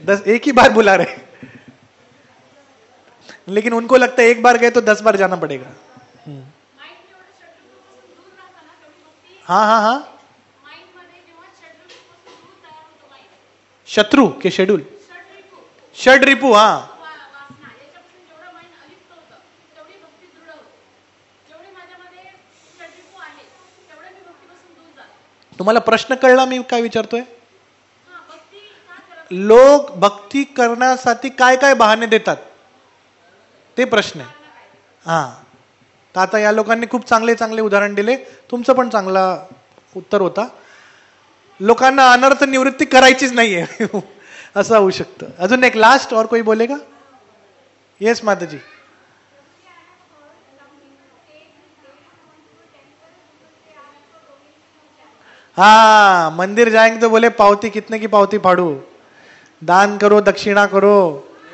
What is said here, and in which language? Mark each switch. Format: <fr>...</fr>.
<hi>10 एक ही बार बुला रहे, लेकिन उनको लगता है 1 बार गए तो 10 बार जाना पड़ेगा. हाँ हाँ हाँ शत्रु के शेड्यूल, षड रिपु.</hi> <mr>हाँ तुम्हाला प्रश्न कळला मी काय विचारतोय? लोक भक्ती करण्यासाठी काय काय बहाणे देतात ते प्रश्न आहे. हा तर आता या लोकांनी खूप चांगले चांगले उदाहरण दिले, तुमचं पण चांगला उत्तर होता. लोकांना अनर्थ निवृत्ती करायचीच नाहीये असं होऊ शकतं. अजून एक लास्ट,</mr> <hi>और कोई बोलेगा? येस माताजी. हाँ मंदिर जाएंगे तो बोले पावती, कितने की पावती फाड़ू, दान करो, दक्षिणा करो.</hi>